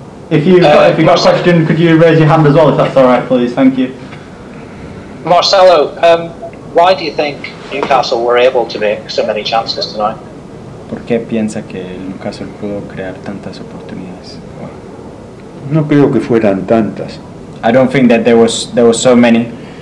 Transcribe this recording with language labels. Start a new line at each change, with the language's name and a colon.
English: If you've got a question, could you raise your hand as well, if that's all right, please? Thank you. Marcelo, why do you think Newcastle were able to make so many chances tonight?
Spanish: ¿Por qué piensa que Newcastle pudo crear tantas oportunidades? No creo que fueran tantas.
English: I don't think that there was so many.